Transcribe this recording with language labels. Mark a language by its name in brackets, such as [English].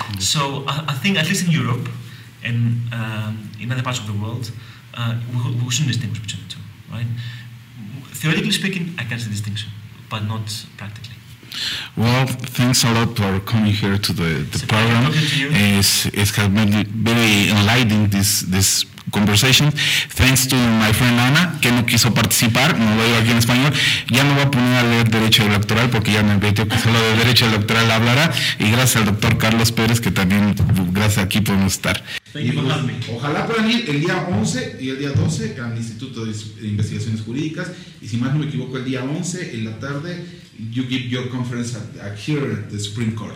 [English] So I think, at least in Europe and in other parts of the world, we shouldn't distinguish between the two. Right? Theoretically speaking, I can see the distinction, but not practically. Well, thanks a lot for coming here to the program. It has been very enlightening, this conversation. Thanks to my friend [Spanish] Ana, que no quiso participar, no lo digo aquí en español. Ya no voy a poner a leer derecho electoral porque ya me invitó que solo de derecho electoral hablará. Y gracias al doctor Carlos Pérez, que también gracias aquí podemos estar. Ojalá puedan ir el día 11 y el día 12 al Instituto de Investigaciones Jurídicas. Y si más no me equivoco, el día 11 en la tarde. [English] You give your conference at here at the Supreme Court